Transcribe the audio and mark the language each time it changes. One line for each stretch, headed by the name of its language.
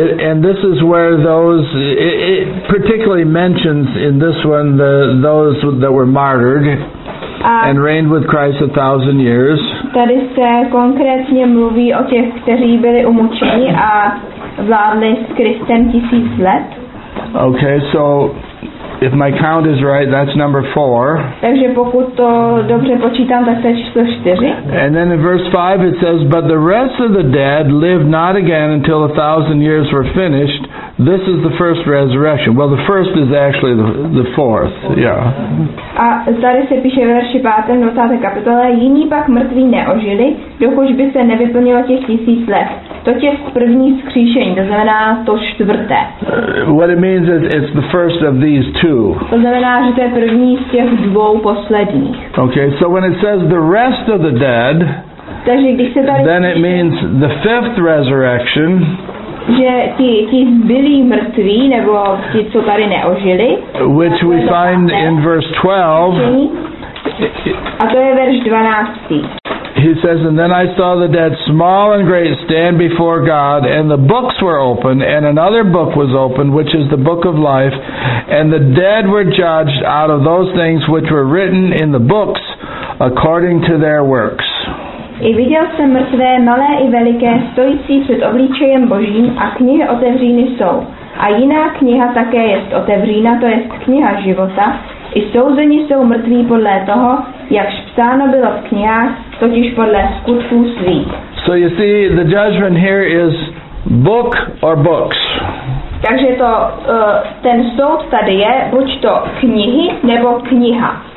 English: And this is where those, it particularly mentions in this one, those that were martyred. And reigned with Christ 1,000 years.
Czech: Tady se konkrétně mluví o těch, kteří byli umučeni a vládli s Kristem 1,000 let.
English: Okay, so if my count is right, that's number 4.
Czech: Takže pokud to dobře počítám, tak to je číslo 4.
English: And then in verse 5 it says, but the rest of the dead lived not again until 1,000 years were finished. This is the first resurrection. Well, the first is actually the fourth. Yeah.
Czech: A tady se píše v verši 5. 20. kapitole, jiní pak mrtví neožili, dokud by se nevyplnilo těch 1,000 let. To je první vzkříšení, to znamená to čtvrté.
English: What it means is it's the first of these two.
Czech: To znamená, že to je první z těch dvou posledních.
English: Okay, so when it says the rest of the dead,
Czech: takže když se tady
English: then it means the fifth resurrection.
Czech: Že ti zbylí mrtví, nebo ti, co tady neožili.
English: Which we find in verse 12.
Czech: A to je verš 12.
English: He says, and then I saw the dead, small and great, stand before God, and the books were opened, and another book was opened, which is the book of life, and the dead were judged out of those things which were written in the books, according to their works.
Czech: I viděl jsem mrtvé, malé i veliké, stojící před obličejem Božím, a knihy otevřeny jsou. A jiná kniha také jest otevřena, to jest kniha života. I souzeni jsou mrtví podle toho, jakž psáno bylo v knihách, totiž podle skutků svých.
English: So you see, the judgment here is book or books.
Czech: Takže to ten soud tady je, buď to knihy nebo kniha.